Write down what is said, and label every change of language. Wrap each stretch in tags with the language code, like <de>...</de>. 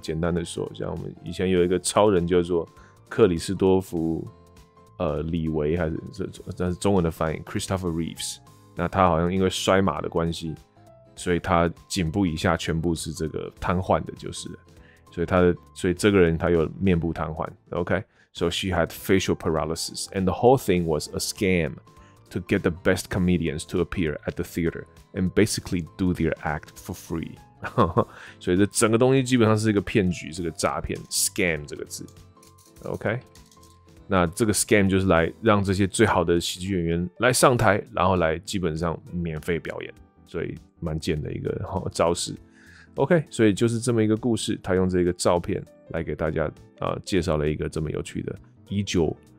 <zh>简单的说，像我们以前有一个超人叫做克里斯多夫，李维还是这是中文的翻译 Christopher Reeves。那他好像因为摔马的关系，所以他颈部以下全部是这个瘫痪的，就是了。所以他的所以这个人他有面部瘫痪。</zh> <en>Okay, so she had facial paralysis, and the whole thing was a scam. To get the best comedians to appear at the theater and basically do their act for free.</en> <zh>所以这整个东西基本上是一个骗局，是个诈骗 ，scam 这个字。 OK， 那这个 scam 就是来让这些最好的喜剧演员来上台，然后来基本上免费表演，所以蛮贱的一个招式。 OK， 所以就是这么一个故事，他用这个照片来给大家介绍了一个这么有趣的依旧。</zh>